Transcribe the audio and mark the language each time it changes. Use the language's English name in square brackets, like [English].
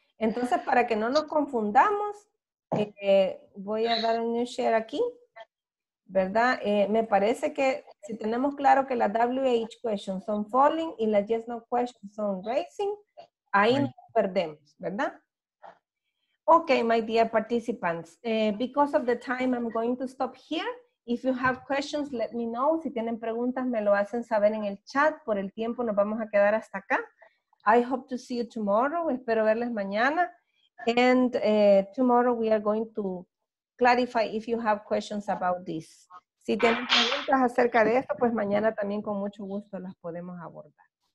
[Spanish] Entonces, para que no nos confundamos, voy a dar un [English] new share [Spanish] aquí. ¿Verdad? Me parece que si tenemos claro que las WH questions son falling y las yes no questions son racing, ahí nos perdemos, ¿verdad? [English] Ok, my dear participants, because of the time, I'm going to stop here. If you have questions, let me know. [Spanish] Si tienen preguntas, me lo hacen saber en el chat. Por el tiempo, nos vamos a quedar hasta acá. [English] I hope to see you tomorrow. [Spanish] Espero verles mañana. [English] And tomorrow we are going to clarify if you have questions about this. [Spanish] Si tienen preguntas acerca de esto, pues mañana también con mucho gusto las podemos abordar.